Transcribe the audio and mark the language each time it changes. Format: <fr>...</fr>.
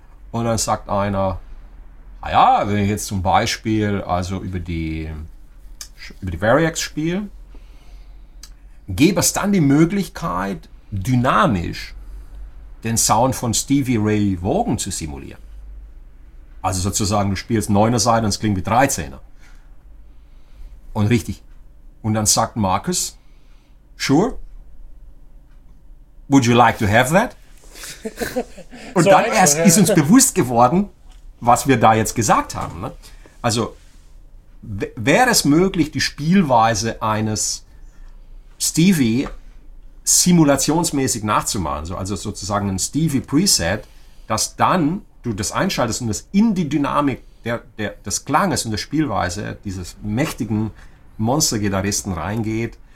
<de>Und dann sagt einer, naja, wenn ich jetzt zum Beispiel also über die Variax spiele, gäbe es dann die Möglichkeit, dynamisch den Sound von Stevie Ray Vaughan zu simulieren. Also sozusagen, du spielst 9er-Seite und es klingt wie 13er. Und richtig. Und dann sagt Markus,</de> <en>sure, would you like to have that?</en> <de>Und so dann erst ist uns bewusst geworden, was wir da jetzt gesagt haben. Also wäre es möglich, die Spielweise eines Stevie simulationsmäßig nachzumachen, also sozusagen ein Stevie Preset, dass dann du das einschaltest und das in die Dynamik des Klanges und der Spielweise dieses mächtigen Monster-Gitarristen reingeht.</de>